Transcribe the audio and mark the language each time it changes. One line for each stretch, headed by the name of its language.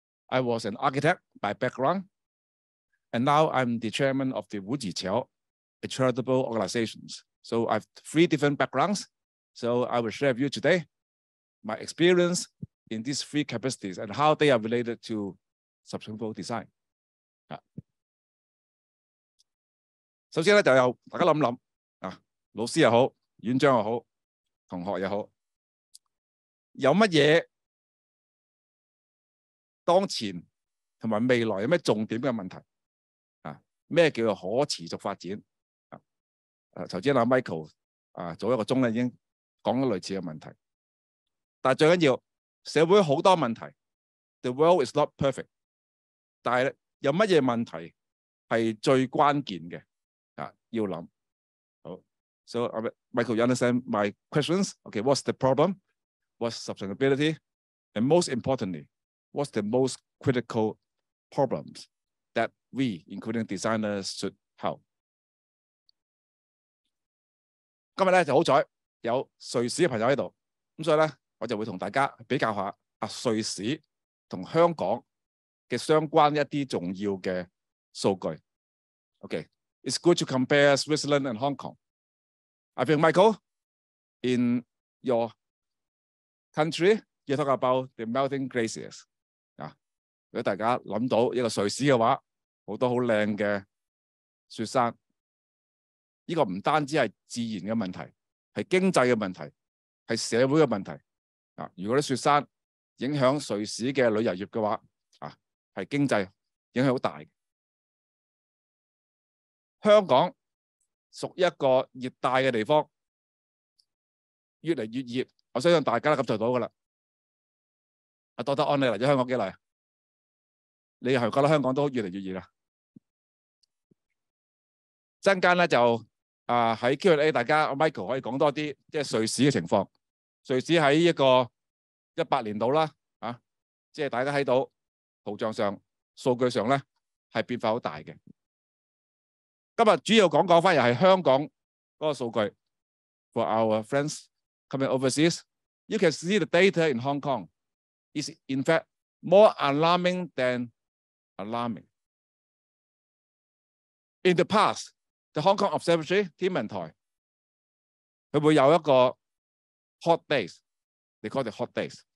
English: I was an architect by background, and now I'm the chairman of the Wu Jiqiao, a charitable organization. So I have three different backgrounds. So I will share with you today my experience in these three capacities and how they are related to sustainable design.
Cantonese: 首先就由大家想，老师也好，院长也好，同学也好，有什么当前同埋未来有咩重点嘅问题啊？咩叫做可持续发展啊？头先阿 Michael 啊，早一个钟咧已经讲咗类似嘅问题。但系最紧要，社会好多问题 ，
English: the world is not perfect。
Cantonese: 但系有乜嘢问题系最关键嘅啊？要谂好。
English: So Michael, you understand my questions? Okay, what's the problem? What's sustainability? And most importantly. What's the most critical problems that we, including designers, should help?
Cantonese: 今日咧就好彩有瑞士嘅朋友喺度，咁所以咧我就会同大家比较下啊瑞士同香港嘅相关一啲重要嘅数据。
English: Okay, it's good to compare Switzerland and Hong Kong. I think Michael, in your country, you talk about the melting glaciers.
Cantonese: 如果大家想到一个瑞士的话，很多很漂亮的雪山。这个不单止是自然的问题，是经济的问题，是社会的问题。如果雪山影响瑞士的旅游业的话，是经济影响很大的。香港属于一个热带的地方，越来越热，我相信大家都感受到的了。 Dr. On，你来了香港几年？你係覺得香港都越嚟越熱啦？陣間咧就喺 Q&A， 大家 Michael 可以講多啲，即係瑞士嘅情況。瑞士喺一個2018年度啦，即係大家睇到圖像上、數據上咧係變化好大嘅。今日主要講翻又係香港嗰個數據。
English: For our friends coming overseas, you can see the data in Hong Kong is in fact more alarming than. Alarming. In the past, the Hong Kong Observatory,
Cantonese: 天文台，它会有一个
English: hot days, they call it hot days.